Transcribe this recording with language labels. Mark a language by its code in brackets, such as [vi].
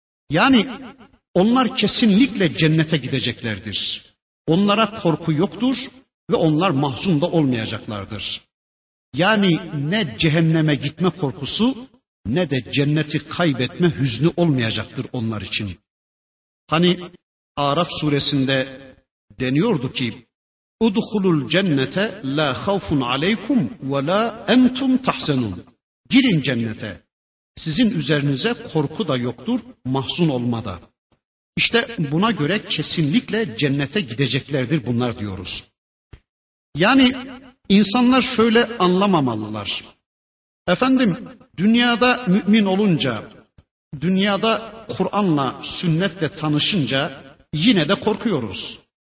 [tr] Yani onlar kesinlikle cennete gideceklerdir. Onlara korku yoktur ve onlar mahzun da olmayacaklardır. Yani ne cehenneme gitme korkusu ne de cenneti kaybetme hüznü olmayacaktır onlar için. Hani Araf suresinde deniyordu ki, [ar] اُدْخُلُ الْجَنَّةَ لَا خَوْفٌ عَلَيْكُمْ وَلَا اَنْتُمْ تَحْزَنُونَ [tr] Girin cennete. Sizin üzerinize korku da yoktur, mahzun olma da. İşte buna göre kesinlikle cennete gideceklerdir bunlar diyoruz. Yani insanlar şöyle anlamamalılar. Efendim, dünyada mümin olunca, dünyada Kur'an'la, sünnetle tanışınca yine de korkuyoruz.